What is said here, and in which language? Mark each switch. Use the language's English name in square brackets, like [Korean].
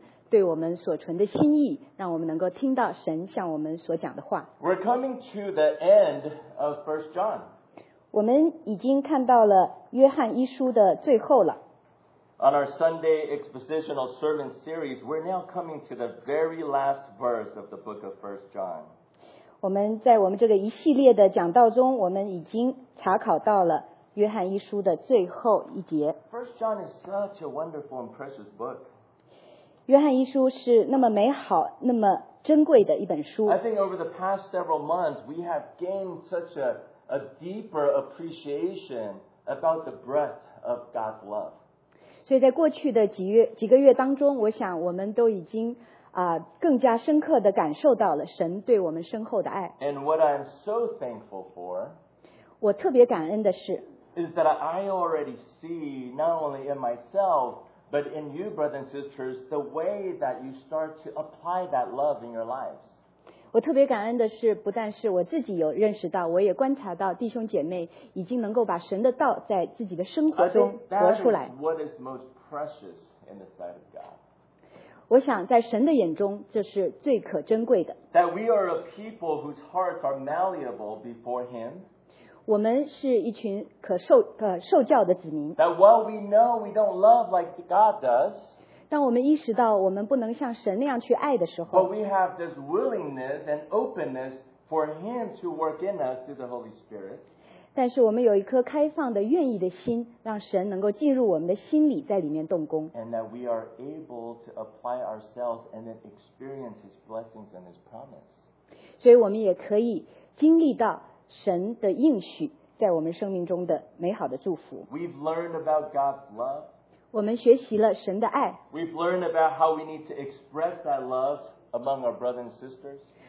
[Chinese] 最重要的是我们可以看到神对我们所存的心意, 让我们能够听到神向我们所讲的话。 [English] We're coming to the end of 1 John. [Chinese] 我们已经看到了约翰一书的最后了。 [English] On our Sunday expositional sermon series, we're now coming to the very last verse of the book of 1 John. [Chinese] 我们在我们这个一系列的讲道中, 我们已经查考到了约翰一书的最后一节。 [English] First John is such a wonderful and precious book. [Chinese] 约翰一书是那么美好, 那么珍贵的一本书。 [English] I think over the past several months, we have gained such a deeper appreciation about the breadth of God's love. [Chinese] 所以在过去的几个月当中, 我想我们都已经 更加深刻地感受到了神对我们深厚的爱。 [English] And what I'm so thankful for [Chinese] 我特别感恩的是, [English] is that I already see, not only in myself, but in you, brothers and sisters, the way that you start to apply that love in your lives. [Chinese] 我特别感恩的是, 不但是我自己有认识到, 我也观察到弟兄姐妹已经能够把神的道在自己的生活中活出来。 [English] I think that is what is most precious in the sight of God. [Chinese] 我想在神的眼中, 这是最可珍贵的。 [English] That we are a people whose hearts are malleable before Him. [Chinese] 我们是一群可受教的子民。 [English] That while we know we don't love like God does, [Chinese] 当我们意识到我们不能像神那样去爱的时候, [English] but we have this willingness and openness for Him to work in us through the Holy Spirit. [Chinese] 但是我们有一颗开放的愿意的心, 让神能够进入我们的心里, 在里面动工。 [English] And that we are able to apply ourselves and then experience His blessings and His promise. [Chinese] 所以我们也可以经历到神的应许在我们生命中的美好的祝福。 [English] We've learned about God's love. [Chinese] 我们学习了神的爱。 [English] We've learned about how we need to express that love among our brothers and sisters.